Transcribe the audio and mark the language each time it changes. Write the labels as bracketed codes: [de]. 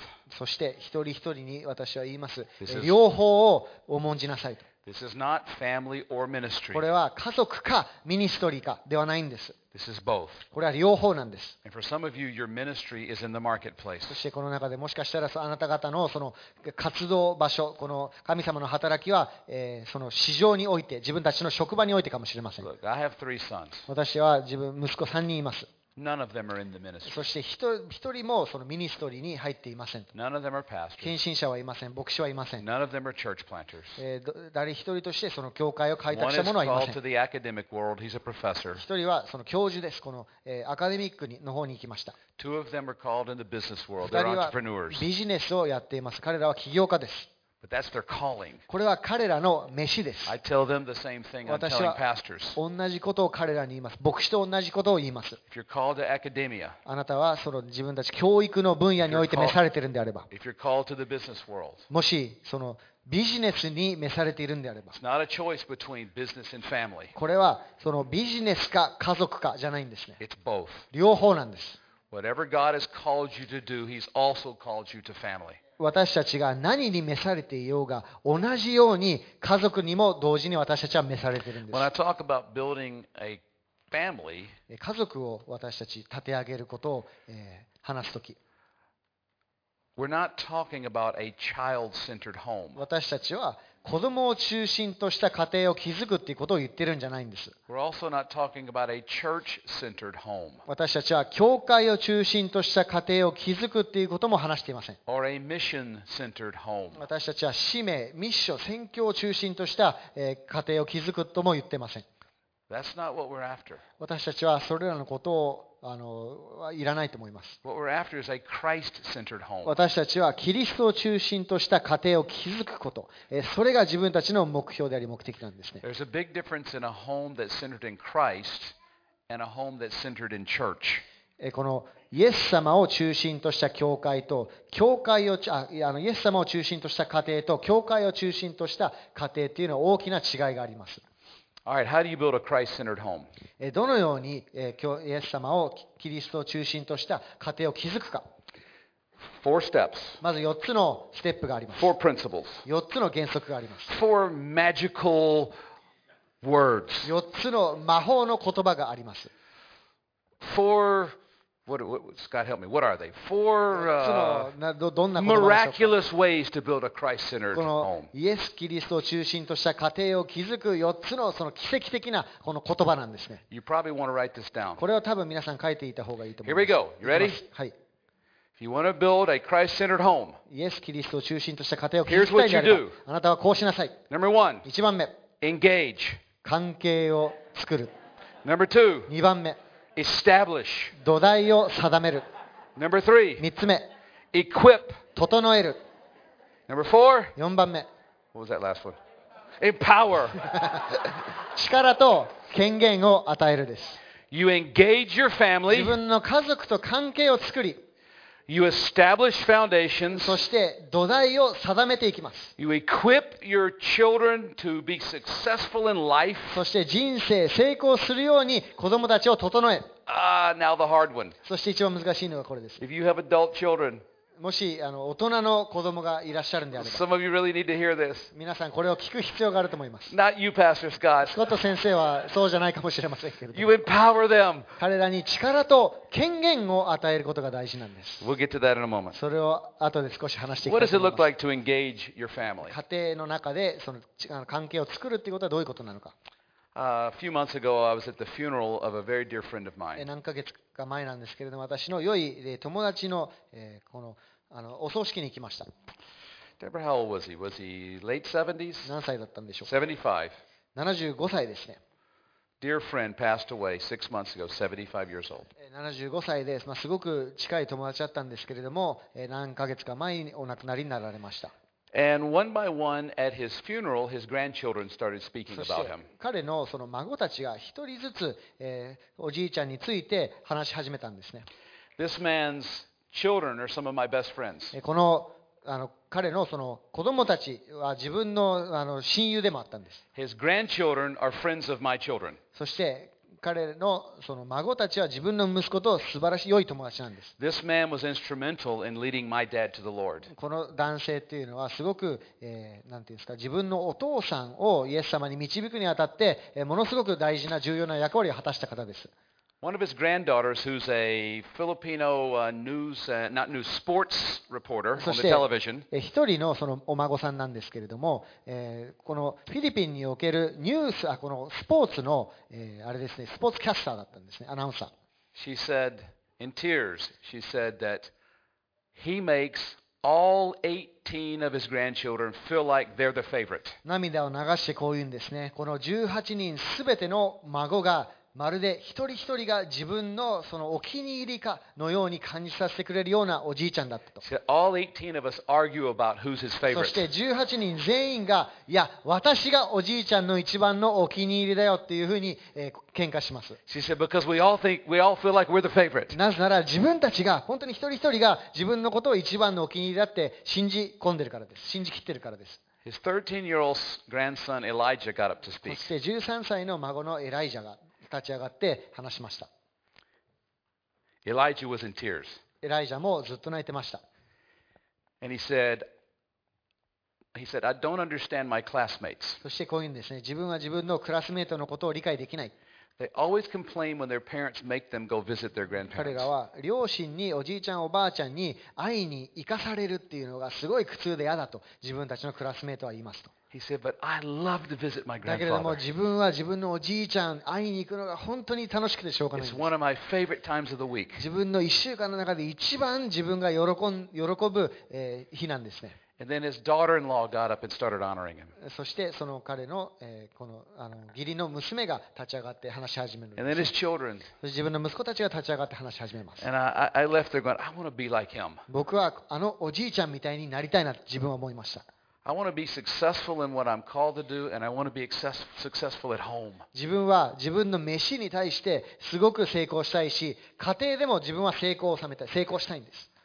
[ja] そして一人一人に私は言います。両方を重んじなさいと。 [en] This is not family or ministry. [ja] これは家族かミニストリーかではないんです。 [en] This is both. [ja] これは両方なんです。 [en] And for some of you, your ministry is in the marketplace. [ja] そしてこの中でもしかしたらあなた方のその活動場所、この神様の働きは、その市場において、自分たちの職場においてかもしれません。 [en] Look, I have three sons. [ja] 私は自分、息子3人います。 [en] None of them are in the ministry. [ja] そして一人もそのミニストリーに入っていません。 [en] None of them are pastors. [ja] 献身者はいません。牧師はいません。 [en] None of them are church planters. [ja] 誰一人としてその教会を開拓した者はいません。 [en] One is called to the academic world. He's a professor. [ja] 一人はその教授です。この、アカデミックの方に行きました。 [en] Two of them are called in the business world. They're entrepreneurs. [ja] 二人はビジネスをやっています。彼らは起業家です。 [en] But that's their calling. [ja] これは彼らの召しです。 [en] I tell them the same thing I'm telling pastors. [ja] 私は同じことを彼らに言います。牧師と同じことを言います。 [en] If you're called to academia, [ja] あなたはその自分たち教育の分野において召されているのであれば、 [en] If you're called to the business world, [ja] もしそのビジネスに召されているのであれば、 [en] It's not a choice between business and family. [ja] これはそのビジネスか家族かじゃないんですね。 [en] It's both. [ja] 両方なんです。 [en] Whatever God has called you to do, He's also called you to family. [ja] 私たちが何に召されていようが同じように家族にも同時に私たちは召されているんです。 [en] When I talk about building a family, [ja] 家族を私たち立て上げることを、話すとき、 [en] We're not talking about a child-centered home. [ja] 私たちは子供を中心とした家庭を築くっていうことを言ってるんじゃないんです。 [en] We're also not talking about a church-centered home. [ja] 私たちは教会を中心とした家庭を築くっていうことも話していません。 [en] Or a mission-centered home. [ja] 私たちは使命、ミッション、宣教を中心とした家庭を築くとも言ってません。 [en] That's not what we're after. [ja] 私たちはそれらのことをいらないと思います。 [en] What we're after is a Christ-centered home. [ja] 私たちはキリストを中心とした家庭を築くこと、それが自分たちの目標であり目的なんですね。 [en] There's a big difference in a home that's centered in Christ and a home that's centered in church. [ja] このイエス様を中心とした教会と教会をイエス様を中心とした家庭と教会を中心とした家庭というのは大きな違いがあります。 [en] All right, how do you build a Christ-centered home? [ja] どのようにイエス様をキリストを中心とした家庭を築くか。 [en] Four steps. [ja] まず4つのステップがあります。 [en] Four principles. [ja] 4つの原則があります。 [en] Four magical words. [ja] 4つの魔法の言葉があります。 [en] four, what, Scott, help me, what are they? Four miraculous ways to build a Christ-centered home. [ja] イエス・キリストを中心とした家庭を築く4つのその奇跡的なこの言葉なんですね。 [en] You probably want to write this down. [ja] これは多分皆さん書いていた方がいいと思います。 [en] Here we go. You ready? [ja] はい。 [en] If you want to build a Christ-centered home, [ja] イエス・キリストを中心とした家庭を築きたいならば、 [en] Here's what you do. [ja] あなたはこうしなさい。 [en] Number one, [ja] 1番目、 [en] engage. [ja] 関係を作る。 [en] Number two, [ja] 2番目、 [en] establish. [ja] 土台を定める。 [en] Number three, [ja] 3つ目、 [en] equip. [ja] 整える。 [en] Number four, [ja] 4番目、 [en] what was that last one? empower. [ja] 力と権限を与えるです。 [en] You engage your family. [ja] 自分の家族と関係を作り、 [en] You establish foundations. [ja] そして土台を定めていきます。 [en] You equip your children to be successful in life. [ja] そして人生成功するように子供たちを整え。 [en] Now the hard one. [ja] そして一番難しいのがこれです。 [en] If you have adult children, [ja] もし大人の子供がいらっしゃるんであれば、 [en] some of you really need to hear this. [ja] 皆さんこれを聞く必要があると思います。 [en] Not you, Pastor Scott. [ja] スコット先生はそうじゃないかもしれませんけれども。 [en] You empower them. [ja] 彼らに力と権限を与えることが大事なんです。 [en] We'll get to that in a moment. [ja] それを後で少し話していきたいと思います。 [en] What does it look like to engage your family? [ja] 家庭の中でその関係を作るということはどういうことなのか。 [en] A few months ago, I was at the funeral of a very dear friend of mine. [ja] 何ヶ月か前なんですけれども、私の良い友達のこのお葬式に行きました。 [en] Deborah, how old was he? Was he late 70s? [ja] 何歳だったんでしょうか。 [en] 75. [ja] 75歳ですね。 [en] Dear friend passed away 6 months ago, 75 years old. [ja] 75歳です。すごく近い友達だったんですけれども、何ヶ月か前にお亡くなりになられました。 [en] And one by one at his funeral, his grandchildren started speaking about him. [ja] 彼のその孫たちが一人ずつ、おじいちゃんについて話し始めたんですね。 [en] This man's children are some of my best friends. [ja] この彼のその子供たちは自分の親友でもあったんです。 [en] His grandchildren are friends of my children. [ja] そして彼のその孫たちは自分の息子と素晴らしい良い友達なんです。 [en] This man was instrumental in leading my dad to the Lord. [ja] この男性というのはすごく、なんていうんですか、自分のお父さんをイエス様に導くにあたって、ものすごく大事な重要な役割を果たした方です。 [en] One of his granddaughters, who's a Filipino news, not news, sports reporter on the television. [ja] そして、一人のそのお孫さんなんですけれども、このフィリピンにおけるニュース、このスポーツの、あれですね、スポーツキャスターだったんですね、アナウンサー。 [en] She said, in tears, she said that he makes all 18 of his grandchildren feel like they're the favorite. [ja] 涙を流してこう言うんですね。この18人すべての孫が、まるで一人一人が自分 の, そのお気に入りかのように感じさせてくれるようなおじいちゃんだったと。そして18人全員が、いや、私がおじいちゃんの一番のお気に入りだよっていうふうに、喧嘩します。なぜなら自分たちが、本当に一人一人が自分のことを一番のお気に入りだって信じ込んでるからです。信じきってるからです。 [en] His 13-year-old grandson Elijah got up to speak. [ja] そして13歳の孫のエライジャが立ち上がって話しました。 [en] Elijah was in tears. [ja] エライジャもずっと泣いてました。 [en] And he said, I don't understand my classmates. [ja] そしてこういうんですね。自分は自分のクラスメートのことを理解できない。 [en] They always complain when their parents make them go visit their grandparents. [ja] 彼らは両親におじいちゃんおばあちゃんに会いに行かされるっていうのがすごい苦痛で嫌だと自分たちのクラスメートは言いますと。 [en] He said, "But I love to visit my grandfather." [ja] だけれども自分は自分のおじいちゃん会いに行くのが本当に楽しくてしょうがないです。 [en] It's one of my favorite times of the week. [ja] 自分の1週間の中で一番自分が喜ぶ日なんですね。 [en] And then his daughter-in-law got up and started honoring him. [ja] そしてその彼のこの義理の娘が立ち上がって話し始める。 [en] And then his children. [ja] 自分の息子たちが立ち上がって話し始めます。 [en] And I left there going, "I want to be like him." [ja] 僕はおじいちゃんみたいになりたいなと自分は思いました。 [en] I want to be successful in what I'm called to do, and I want to be successful at home. [ja] 自分は自分の飯に対してすごく成功したいし、家庭でも自分は成功を収めたい、成功したいんです。